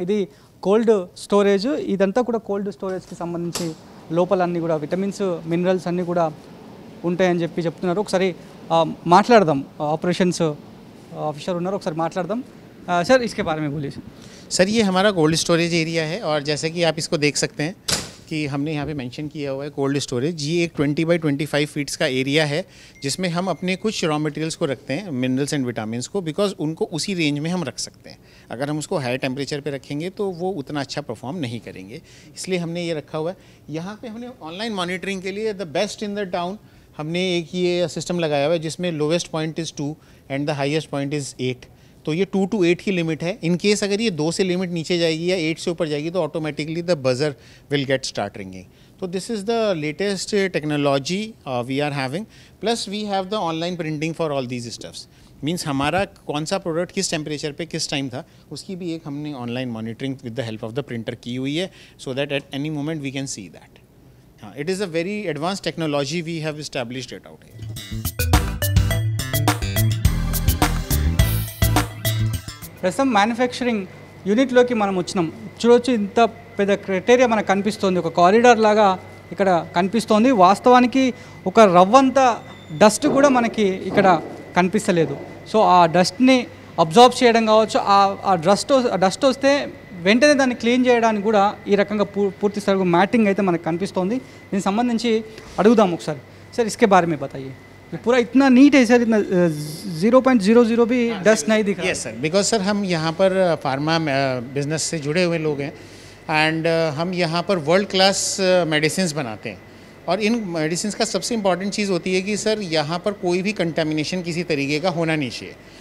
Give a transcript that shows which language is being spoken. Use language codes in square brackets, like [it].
[te] ఇది cold storage, ఇదంతా కూడా కోల్డ్ స్టోరేజ్కి సంబంధించి లోపల అన్నీ కూడా విటమిన్స్ మినరల్స్ అన్నీ కూడా ఉంటాయని చెప్పి చెప్తున్నారు. ఒకసారి మాట్లాడదాం, ఆపరేషన్స్ ఆఫీసర్ ఉన్నారు, ఒకసారి మాట్లాడదాం [hi] సార్ ఇసుకే బారే బోలీ. సార్ ఇది హమారా cold storage area high are జైసే కి ఆప్ ఇస్కో దేఖ్ సక్తే హై कि हमने यहाँ पे मेंशन किया हुआ है कोल्ड स्टोरेज, ये एक 20x25 फीट्स का एरिया है जिसमें हम अपने कुछ रॉ मटेरियल्स को रखते हैं, मिनरल्स एंड विटामिन्स को, बिकॉज उनको उसी रेंज में हम रख सकते हैं। अगर हम उसको हाई टेम्परेचर पे रखेंगे तो वो उतना अच्छा परफॉर्म नहीं करेंगे, इसलिए हमने ये रखा हुआ है। यहाँ पर हमने ऑनलाइन मॉनिटरिंग के लिए [en] the best in the town [hi] हमने एक ये सिस्टम लगाया हुआ है जिसमें [en] Lowest point is 2 and the highest point is 8। [hi] तो ये 2 to 8 की लिमिट है। इन केस अगर ये 2 से लिमिट नीचे जाएगी या 8 से ऊपर जाएगी तो automatically [en] The buzzer will get start ringing. तो this is the latest technology we are having, plus we have the online printing for all these stuffs. [hi] Means हमारा कौन सा प्रोडक्ट किस टेम्परेचर पे किस टाइम था उसकी भी एक हमने online monitoring [en] with the help of the printer [hi] की हुई है, [en] So that at any moment we can see that. हाँ, it is a very advance technology we have established it out. [te] ప్రస్తుతం మ్యానుఫ్యాక్చరింగ్ యూనిట్లోకి మనం వచ్చినాం. చూడవచ్చు ఇంత పెద్ద క్రైటేరియా మనకు కనిపిస్తుంది, ఒక కారిడార్ లాగా ఇక్కడ కనిపిస్తోంది. వాస్తవానికి ఒక రవ్వంత డస్ట్ కూడా మనకి ఇక్కడ కనిపించలేదు. సో ఆ డస్ట్ని అబ్జార్బ్ చేయడం కావచ్చు, ఆ డస్ట్ వస్తే వెంటనే దాన్ని క్లీన్ చేయడానికి కూడా ఈ రకంగా పూర్తి సరుగు మ్యాటింగ్ అయితే మనకు కనిపిస్తోంది. దీనికి సంబంధించి అడుగుదాం ఒకసారి సార్, [hi] ఇస్కే బారే బతాయి. पूरा इतना नीट है सर, इतना 0.00 भी डस्ट नहीं दिखा। यस सर, बिकॉज सर हम यहाँ पर फार्मा बिजनेस से जुड़े हुए लोग हैं एंड हम यहाँ पर वर्ल्ड क्लास मेडिसिंस बनाते हैं, और इन मेडिसिंस का सबसे इम्पॉर्टेंट चीज़ होती है कि सर यहाँ पर कोई भी कंटामिनेशन किसी तरीके का होना नहीं चाहिए।